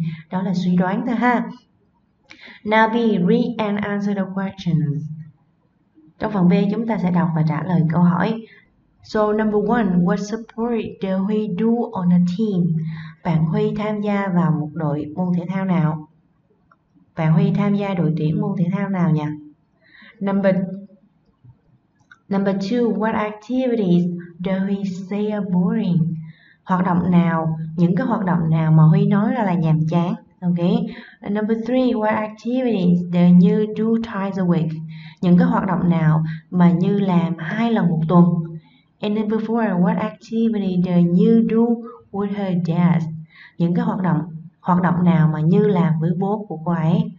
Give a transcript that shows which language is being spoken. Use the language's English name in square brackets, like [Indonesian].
[Vietnamese] Đó là suy đoán thôi ha. [English] Now B, read and answer the questions. [Vietnamese] Trong phần B, chúng ta sẽ đọc và trả lời câu hỏi. [English] So, number one, what sport do Huy do on a team? [Vietnamese] Bạn Huy tham gia vào một đội môn thể thao nào? Bạn Huy tham gia đội tuyển môn thể thao nào nhỉ? [English] Number two, what activities do Huy say are boring? [Vietnamese] Hoạt động nào, những cái hoạt động nào mà Huy nói ra là nhàm chán? [English] Number three, what activities do you do twice a week? [Vietnamese] Những cái hoạt động nào mà Như làm hai lần một tuần? [English] And number four, what activity do you do with her dad? [Vietnamese] Những cái hoạt động nào mà Như làm với bố của cô ấy?